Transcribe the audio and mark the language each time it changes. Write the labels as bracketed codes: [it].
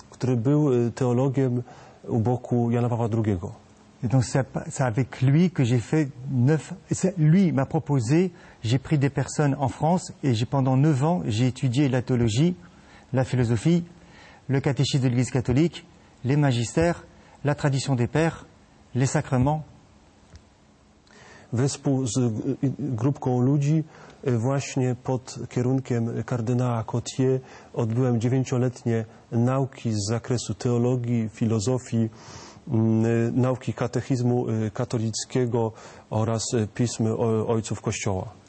[pl] Który był teologiem u boku Jana Pawła II. [fr] Et donc c'est avec lui que j'ai fait 9. Lui m'a proposé, j'ai pris des personnes en France et j'ai pendant 9 ans j'ai étudié la théologie, la philosophie, le catéchisme de l'Église catholique, les magistères, la tradition des pères, les sacrements. [pl] Wespół z grupką ludzi właśnie pod kierunkiem kardynała Cottier odbyłem 9-letnie nauki z zakresu teologii, filozofii, nauki katechizmu katolickiego oraz pism ojców Kościoła.